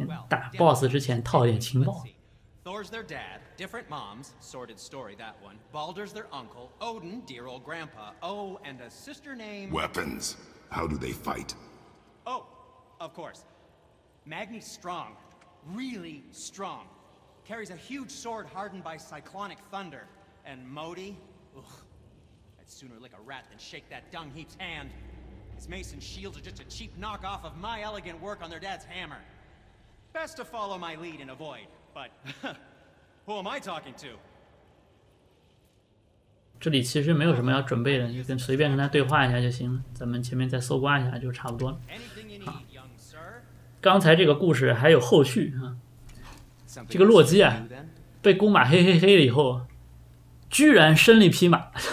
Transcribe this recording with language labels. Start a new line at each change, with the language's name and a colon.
Chinese: 打 boss 之前套点情报。
English: Thor's their dad, different moms, sordid story that one. Baldur's their uncle, Odin, dear old grandpa, oh, and a sister named... Weapons. How do they fight? Oh, of course. Magni's strong, really strong. Carries a huge sword hardened by cyclonic thunder. And Modi, ugh, I'd sooner lick a rat than shake that dung heap's hand. His mace and shields are just a cheap knockoff of my elegant work on their dad's hammer. Best to follow my lead and avoid. But who am I talking to?
Chinese: 这里其实没有什么要准备的，你跟随便跟他对话一下就行了。咱们前面再搜刮一下就差不多了。好，刚才这个故事还有后续啊。这个洛基啊，被公马嘿嘿嘿了以后，居然生了一匹马。